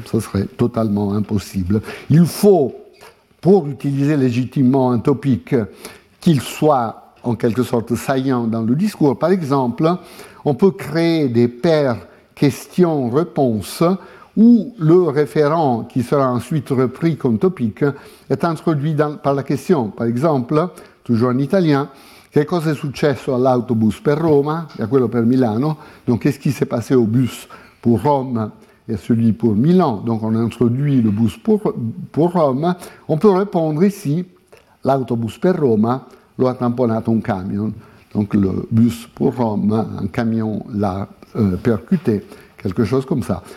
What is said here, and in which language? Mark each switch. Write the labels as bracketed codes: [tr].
[fr] Ce serait totalement impossible. Il faut, pour utiliser légitimement un topic, qu'il soit en quelque sorte saillant dans le discours. Par exemple, on peut créer des paires questions-réponses où le référent qui sera ensuite repris comme topic est introduit par la question. Par exemple, toujours en italien, [it] che cosa è successo all'autobus per Roma e a quello per Milano? [fr] Donc, qu'est-ce qui s'est passé au bus pour Rome et celui pour Milan? Donc, on introduit le bus pour Rome. On peut répondre ici, [it] l'autobus per Roma lo ha tamponato un camion, [fr] donc le bus pour Rome, un camion l'a percuté, quelque chose comme ça.